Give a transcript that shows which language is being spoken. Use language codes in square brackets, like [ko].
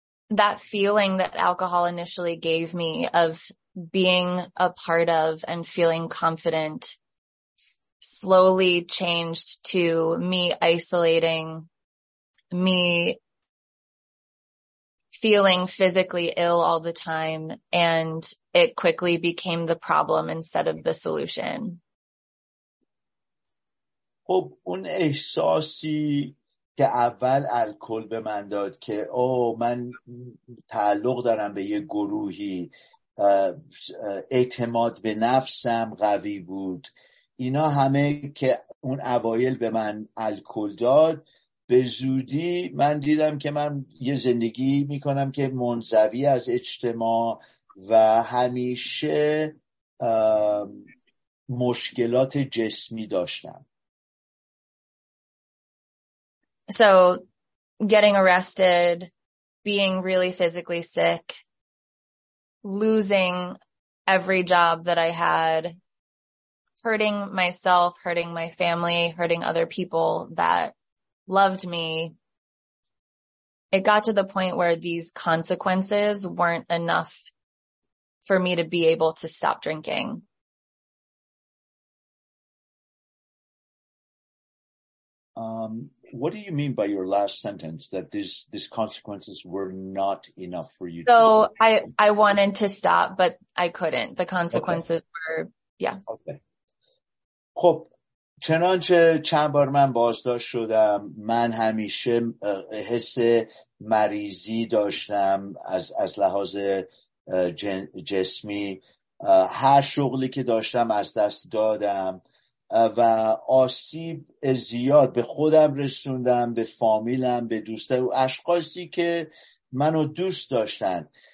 [en] That feeling that alcohol initially gave me of being a part of and feeling confident slowly changed to me isolating, me feeling physically ill all the time, and it quickly became the problem instead of the solution. [fa] خب اون احساسی که اول الکل به من داد که من تعلق دارم به یه گروهی، اعتماد به نفسم قوی بود، اینا همه که اون اوایل به من الکل داد، به زودی من دیدم که من یه زندگی میکنم که منزوی از اجتماع و همیشه مشکلات جسمی داشتم. [en] So getting arrested, being really physically sick, losing every job that I had, hurting myself, hurting my family, hurting other people that loved me. It got to the point where these consequences weren't enough for me to be able to stop drinking. What do you mean by your last sentence that these consequences were not enough for you? So I wanted to stop, but I couldn't. The consequences were, yeah. Okay. [fa] خب چنانچه چند بار من بازداشت شدم، من همیشه حس مریضی داشتم از لحاظ جسمی. هر شغلی که داشتم از دست دادم و آسیب زیاد به خودم رسوندم، به فامیلم، به دوستا و اشخاصی که منو دوست داشتن.